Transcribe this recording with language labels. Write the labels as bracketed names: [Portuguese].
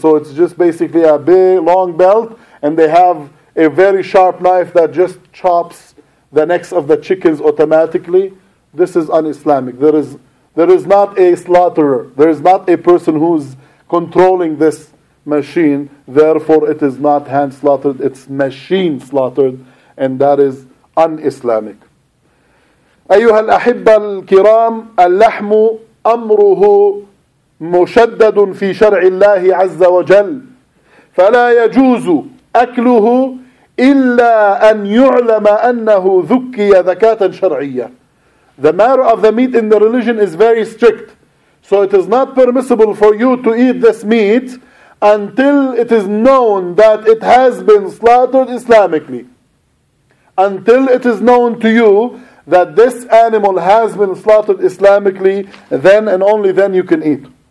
[English] So it's just basically a big, long belt, and they have a very sharp knife that just chops the necks of the chickens automatically. This is un-Islamic. There is not a slaughterer. There is not a person who's controlling this machine. Therefore, it is not hand slaughtered. It's machine slaughtered. And that is un-Islamic. [Arabic] أيها الأحبة الكرام اللحم أمره مشدد في شرع الله عز وجل فلا يجوز أكله إلا أن يعلم أنه ذكي ذكاة شرعية. [English] The matter of the meat in the religion is very strict. So it is not permissible for you to eat this meat until it is known that it has been slaughtered Islamically. Until it is known to you that this animal has been slaughtered Islamically, then and only then you can eat.